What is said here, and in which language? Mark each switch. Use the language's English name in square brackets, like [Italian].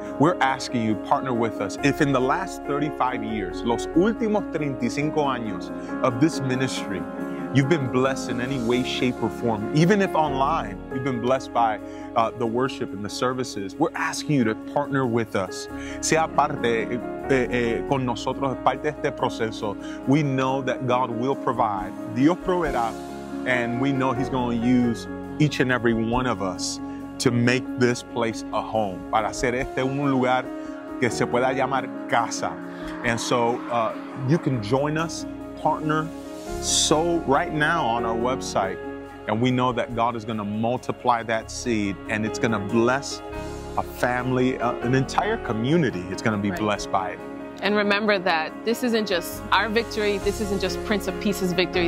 [English] We're asking you, partner with us. If in the last 35 years, [Spanish] los últimos 35 años [English] of this ministry, you've been blessed in any way, shape, or form, even if online, you've been blessed by the worship and the services, we're asking you to partner with us. [Spanish] Sea parte con nosotros, parte de este proceso. [English] We know that God will provide. [Spanish] Dios proveerá. [English] And we know he's going to use each and every one of us to make this place a home. [Spanish] Para hacer este un lugar que se pueda llamar casa. [English] And so you can join us, partner. So right now on our website, and we know that God is going to multiply that seed, and it's going to bless a family, an entire community. It's going to be blessed by it. And remember that this isn't just our victory. This isn't just Prince of Peace's victory.